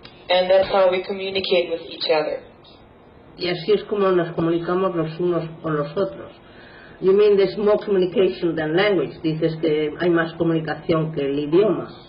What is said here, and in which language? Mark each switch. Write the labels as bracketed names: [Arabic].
[English] And that's how we communicate with each other. [Spanish] Y así es como nos comunicamos los unos con los otros. [English] You mean there's more communication than language. [Spanish] Dices que hay más comunicación que el idioma.